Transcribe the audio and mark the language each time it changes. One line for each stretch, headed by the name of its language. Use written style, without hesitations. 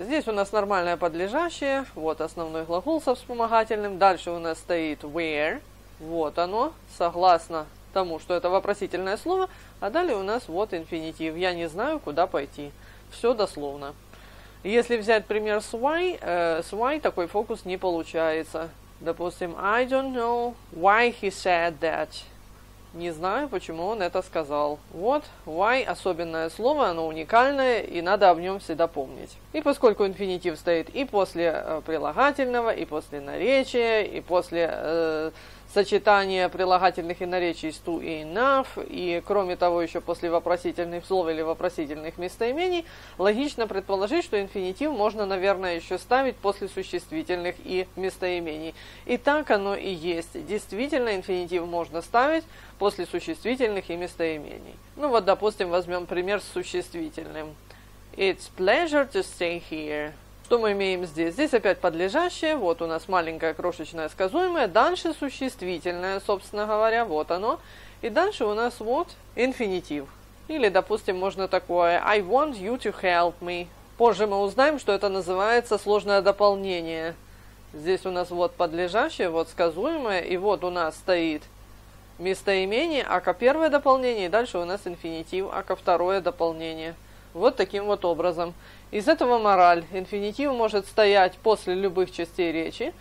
Russian: Здесь у нас нормальное подлежащее. Вот основной глагол со вспомогательным. Дальше у нас стоит where. Вот оно, согласно тому, что это вопросительное слово. А далее у нас вот инфинитив. Я не знаю, куда пойти. Все дословно. Если взять пример с why такой фокус не получается. Допустим,
English: I don't know why he said that.
Russian: Не знаю, почему он это сказал. Вот, why особенное слово, оно уникальное, и надо об нем всегда помнить. И поскольку инфинитив стоит и после прилагательного, и после наречия, и после сочетания прилагательных и наречий с to и enough, и кроме того еще после вопросительных слов или вопросительных местоимений, логично предположить, что инфинитив можно, наверное, еще ставить после существительных и местоимений. И так оно и есть. Действительно, инфинитив можно ставить после существительных и местоимений. Ну вот, допустим, возьмем пример с существительным.
English: It's pleasure to stay here.
Russian: Что мы имеем здесь? Здесь опять подлежащее, вот у нас маленькое крошечное сказуемое, дальше существительное, собственно говоря, вот оно, и дальше у нас вот инфинитив. Или, допустим, можно такое
English: I want you to help me.
Russian: Позже мы узнаем, что это называется сложное дополнение. Здесь у нас вот подлежащее, вот сказуемое, и вот у нас стоит местоимение, а ко первое дополнение, и дальше у нас инфинитив, а ко второе дополнение. Вот таким вот образом. Из этого мораль. Инфинитив может стоять после любых частей речи.